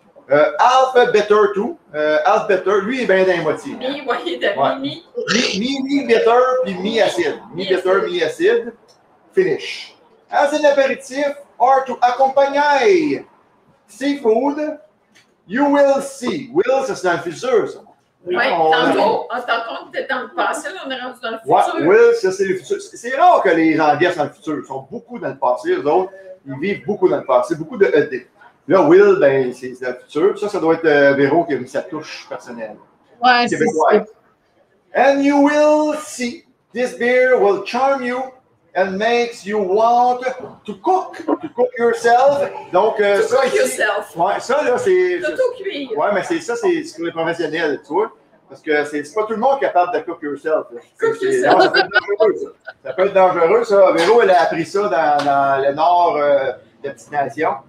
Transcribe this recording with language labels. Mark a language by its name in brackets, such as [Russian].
[English] Alpha better too. Alpha better. [French] Lui, il est bien dans les moitiés. Mi, oui, de mi-mi. Ouais. Mi, mi-better, puis mi-acide. Mi-better, mi-acide. Finish. [English] As an aperitif, or to accompany seafood, you will see. [French] Will, ça, c'est dans le futur, ça. Oui, tantôt, on s'entend qu'on était dans le passé, là, on est rendu dans le futur. Oui, Will, ça, c'est le futur. C'est rare que les gens viennent dans le futur. Ils sont beaucoup dans le passé, eux autres. Ils vivent beaucoup dans le passé, beaucoup de ED. Là, Will, ben, c'est dans le futur. Ça, ça doit être Véro qui a mis sa touche personnelle. Oui, c'est ça. [English] And you will see, this beer will charm you and makes you want to cook yourself. [French] Donc, [English] to cook [French] ici, [English] yourself. [French] Ouais, ça, là, c'est... T'auto-cuire. Oui, mais c'est ça, c'est pour les professionnels, tu vois. Parce que c'est pas tout le monde capable de [English] cook yourself. Cook yourself. [French] Ça peut être dangereux, ça. Ça peut être dangereux, ça. Véro, elle a appris ça dans le nord de la petite nation.